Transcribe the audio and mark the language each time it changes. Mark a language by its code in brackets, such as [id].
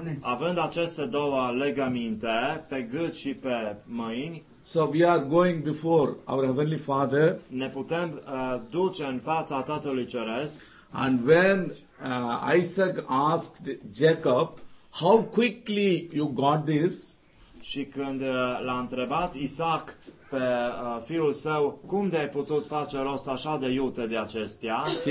[ro] Având aceste două legăminte pe gât și pe mâini, [en] so we are going before our Heavenly Father. [ro] Ne putem duce în fața Tatălui Ceresc. [en] And when Isaac asked Jacob, how quickly you got this? [ro] Și când l-a întrebat Isaac pe fiul său, cum de ai putut face rost așa de iute de acestea?